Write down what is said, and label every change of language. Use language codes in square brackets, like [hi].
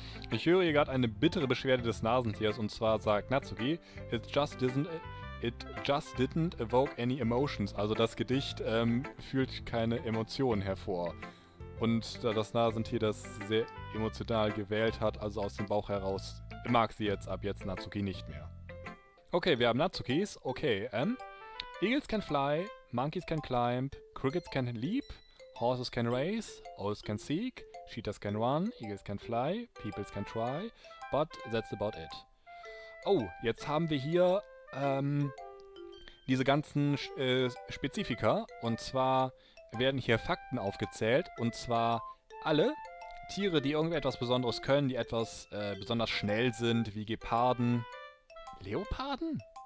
[de] Ich höre hier gerade eine bittere Beschwerde des Nasentiers und zwar sagt Natsuki, [en] it just didn't evoke any emotions. [de] Also das Gedicht fühlt keine Emotionen hervor. Und da das Nasentier das sehr emotional gewählt hat, also aus dem Bauch heraus, mag sie jetzt ab jetzt Natsuki nicht mehr. Okay, wir haben Natsukis. [en] Okay, Eagles can fly, monkeys can climb, crickets can leap, horses can race, owls can seek, cheetahs can run, eagles can fly, peoples can try, but that's about it. [de] Oh, jetzt haben wir hier diese ganzen Spezifika. Und zwar werden hier Fakten aufgezählt. Und zwar alle Tiere, die irgendetwas Besonderes können, die etwas besonders schnell sind, wie Geparden. Leoparden?